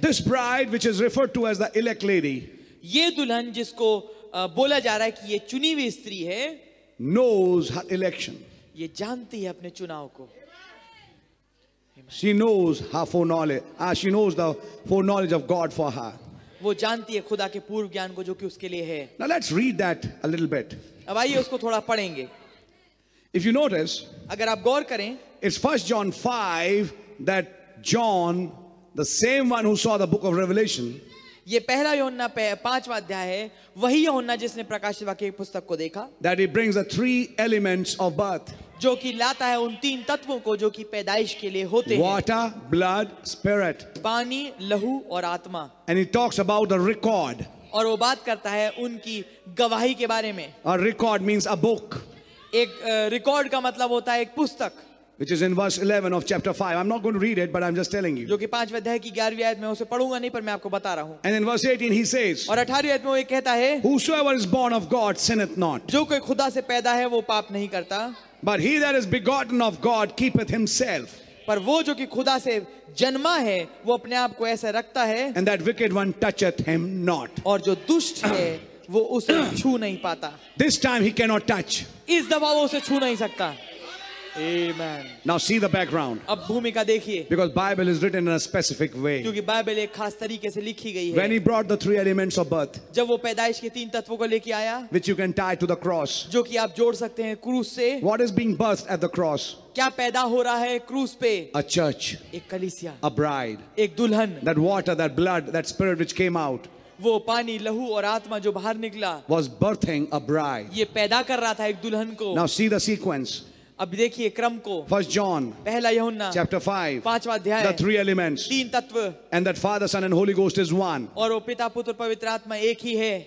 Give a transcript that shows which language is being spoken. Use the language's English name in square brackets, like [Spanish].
[English] This bride, which is referred to as the elect lady. [Hindi] ये दुल्हन जिसको बोला जा रहा है कि ये चुनी हुई स्त्री है. [English] Knows her election. [Hindi] ये जानती है अपने चुनाव को. [English] She knows her foreknowledge. She knows the foreknowledge of God for her. [Hindi] वो जानती है खुदा के पूर्व ज्ञान को जो कि उसके लिए है. [English] Now let's read that a little bit. [Hindi] अब आइए उसको थोड़ा पढ़ेंगे. [English] If you notice, [Hindi] अगर आप गौर करें, [English] it's 1 John 5 that John, the same one who saw the book of Revelation. [Hindi] ये पहला योहन्ना पांचवा अध्याय है, वही योहन्ना जिसने प्रकाशित वाक्य की पुस्तक को देखा. [English] That he brings the three elements of birth. [Hindi] जो कि लाता है उन तीन तत्वों को जो कि पैदाइश के लिए होते हैं. [English] Water, blood, spirit. [Hindi] पानी, लहू और आत्मा. [English] And he talks about the record. [Hindi] और वो बात करता है उनकी गवाही के बारे में. [English] A record means a book. [Hindi] एक रिकॉर्ड का मतलब होता है एक पुस्तक. [English] Which is in verse 11 of chapter 5. I'm not going to read it, but I'm just telling you. [Hindi] जो कि पांचवें अध्याय की 11वीं आयत में उसे पढूंगा नहीं, पर मैं आपको बता रहा हूं. [English] And in verse 18 he says. [Hindi] और 18वीं आयत में वो ये कहता है. [English] Whosoever is born of God sinneth not. [Hindi] जो कोई खुदा से पैदा है वो पाप नहीं करता. [English] But he that is begotten of God keepeth himself. [Hindi] पर वो जो कि खुदा से जन्मा है वो अपने आप को ऐसे रखता है. [English] And that wicked one toucheth him not. [Hindi] और जो दुष्ट है वो उसे छू नहीं पाता. [English] This time he cannot touch. [Hindi] इस दफा वो उसे छू नहीं सकता. [English] Amen. Now see the background. [Hindi] अब भूमिका देखिए. [English] Because Bible is written in a specific way. [Hindi] क्योंकि बाइबल एक खास तरीके से लिखी गई है. [English] When he brought the three elements of birth. [Hindi] जब वो पैदाइश के तीन तत्वों को लेके आया. [English] Which you can tie to the cross. [Hindi] जो कि आप जोड़ सकते हैं क्रूस से. [English] What is being birthed at the cross? [Hindi] क्या पैदा हो रहा है क्रूस पे? [English] A church. [Hindi] एक कलीसिया. [English] A bride. [Hindi] एक दुल्हन. [English] That water, that blood, that spirit which came out. [Hindi] वो पानी, लहू और आत्मा जो बाहर निकला. [English] Was birthing a bride. [Hindi] ये पैदा कर रहा था एक दुल्हन को. [English] Now see the sequence. [Hindi] अब देखिए क्रम को. [English] first John [Hindi] पहला यूहन्ना [English] chapter 5 [Hindi] पांचवा अध्याय. [English] the three elements [Hindi] तीन तत्व. [English] And that father son and holy ghost is one. [Hindi] और वो पिता पुत्र पवित्र आत्मा एक ही है.